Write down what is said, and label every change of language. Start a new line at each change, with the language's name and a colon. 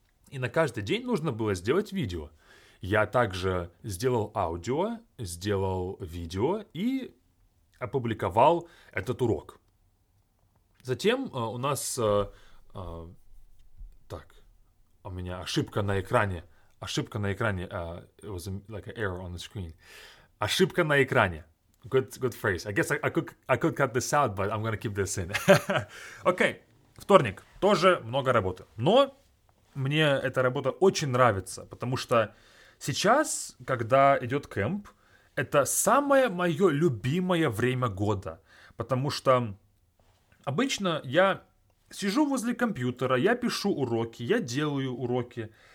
Russian: И на каждый день нужно было сделать видео. Я также сделал аудио, сделал видео и опубликовал этот урок. Затем у нас... так, у меня ошибка на экране. Ошибка на экране.
English: It was like an error on the screen.
Russian: Ошибка на экране.
English: Good phrase. I guess I could cut this out, but I'm gonna keep this in.
Russian: Okay. Вторник. Тоже много работы. Но мне эта работа очень нравится, потому что сейчас, когда идет кемп, это самое мое любимое время года. Потому что обычно я сижу возле компьютера, я пишу уроки, я делаю уроки.